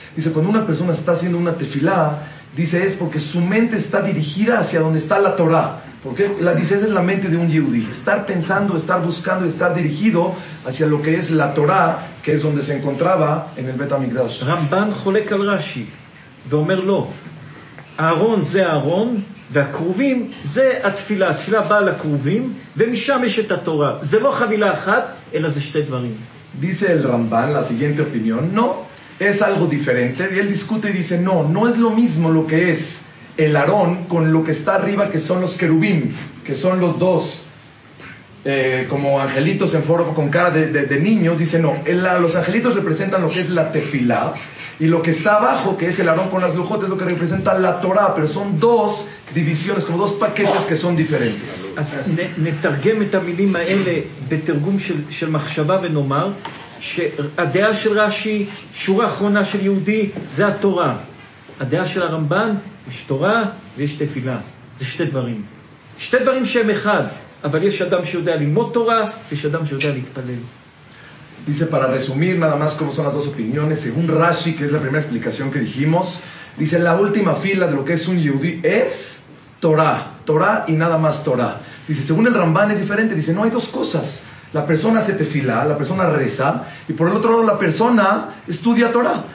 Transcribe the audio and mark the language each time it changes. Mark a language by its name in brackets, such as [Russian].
[Spanish] Dice, cuando una persona está haciendo una tefilá, dice, es porque su mente está dirigida hacia donde está la Torah. ¿Por qué? La, dice, es en la mente de un Yehudi, estar pensando, estar buscando, estar dirigido hacia lo que es la Torah, que es donde se encontraba en el Bet HaMikdash. [Hebrew] Ramban Jolek al Rashi. ואומר לו, אהרון זה אהרון, והקרובים זה התפילה. התפילה באה לקרובים, ומשם יש את התורה. זה לא חבילה אחת, אלא זה שתי דברים. [Spanish] Dice el Ramban, la siguiente opinión, no, es algo diferente. Y él discute y dice, no, no es lo mismo lo que es el Aarón con lo que está arriba, que son los querubim, que son los dos. Como angelitos en forma con cara de niños, dice no, los angelitos representan lo que es la tefilá y lo que está abajo, que es el Aarón con las lujotes, lo que representa la Torá, pero son dos divisiones, como dos paquetes que son diferentes. [Hebrew] נתרגם את המילים האלה בתרגום של מחשבה ונאמר שהדעה של רש"י, שורה אחרונה של יהודי, זה התורה. הדעה של הרמב"ן, יש תורה ויש תפילה. זה שתי דברים. שתי דברים שהם אחד. אבל יש אדם שיודע ללמוד תורה, ויש אדם שיודע להתפלל. [Spanish] Dice, para resumir nada más como son las dos opiniones, según Rashi, que es la primera explicación que dijimos, dice, la última fila de lo que es un Yehudi es Torah, Torah y nada más Torah. Dice, según el Ramban es diferente, dice, no, hay dos cosas. La persona se tefila, la persona reza, y por el otro lado la persona estudia Torah.